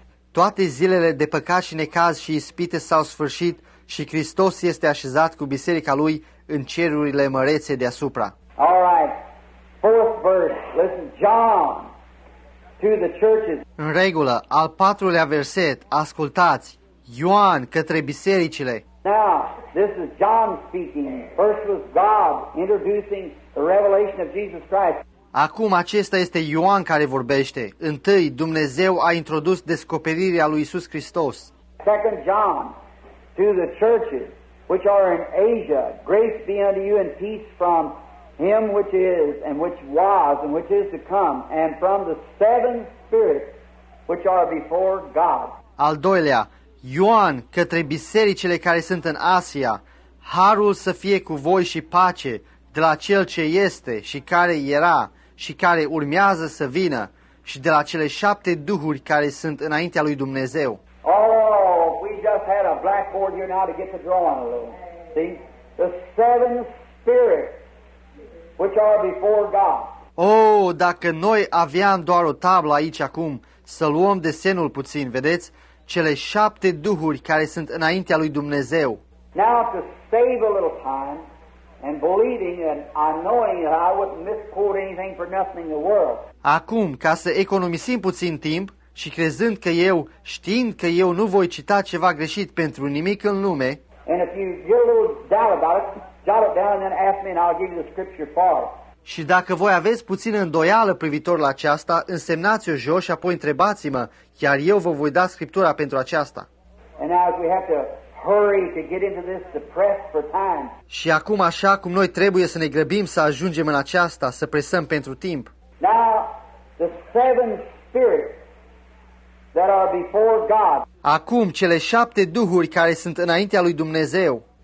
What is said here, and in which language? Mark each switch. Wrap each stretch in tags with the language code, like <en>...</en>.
<ro>Toate zilele de păcat și necaz și ispite s-au sfârșit și Hristos este așezat cu biserica lui în cerurile mărețe deasupra.</ro> <en>All right. Fourth verse. Listen, John. To the churches.</en> <ro>În regulă, al patrulea verset, ascultați, Ioan către bisericile.</ro> <en>Now, this is John speaking. First was God introducing the revelation of Jesus Christ.</en> <ro>Acum acesta este Ioan care vorbește. Întâi, Dumnezeu a introdus descoperirea lui Iisus Hristos.</ro> <en>Second John, to the churches which are in Asia, grace be unto you and peace from Him which is, and which was, and which is to come, and from the seven spirits which are before God.</en> <ro>Al doilea, Ioan, către bisericile care sunt în Asia, harul să fie cu voi și pace de la Cel ce este și care era și care urmează să vină și de la cele șapte duhuri care sunt înaintea lui Dumnezeu.</ro> <en>Oh, we just had a blackboard here now to get the drawing a little. See? The seven spirits. Which are before God.</en> <ro>Oh, dacă noi aveam doar o tablă aici acum, să luăm desenul puțin, vedeți? Cele șapte duhuri care sunt înaintea lui Dumnezeu.</ro> <en>Now to save a little time and believing and knowing that I wouldn't misquote anything for nothing in the world.</en> <ro>Acum, ca să economisim puțin timp și crezând că eu, știind că eu nu voi cita ceva greșit pentru nimic în lume.</ro> <en>And if you get a little doubt about it, jot it down and then ask me and I'll give you the scripture for it.</en> <ro>Și dacă voi aveți puțină îndoială privitor la aceasta, însemnați-o jos și apoi întrebați-mă, iar eu vă voi da scriptura pentru aceasta.</ro> <en>And now as we have to hurry to get into this, to press for time.</en> <ro>Și acum așa cum noi trebuie să ne grăbim să ajungem în aceasta, să presăm pentru timp.</ro> <en>Now the seven spirits that are before God.</en> <ro>Acum cele șapte duhuri care sunt înaintea lui Dumnezeu.</ro>